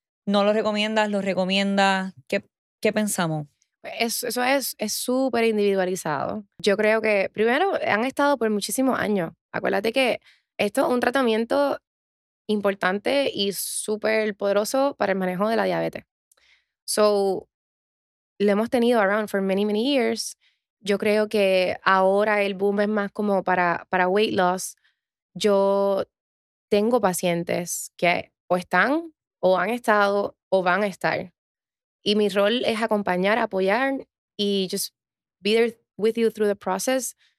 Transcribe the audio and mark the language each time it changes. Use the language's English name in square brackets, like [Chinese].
[Spanish] ¿No los recomiendas? ¿Los recomiendas? ¿Qué pensamos? Eso es súper individualizado. Yo creo que, primero, han estado por muchísimos años. Acuérdate que esto es un tratamiento importante y súper poderoso para el manejo de la diabetes. [English] So, [Spanish] lo hemos tenido [English] around for many, many years. [Spanish] Yo creo que ahora el boom es más como para weight loss. Yo tengo pacientes que o están, o han estado, o van a estar. Y mi rol es acompañar, apoyar, y [English] just be there with you through the process.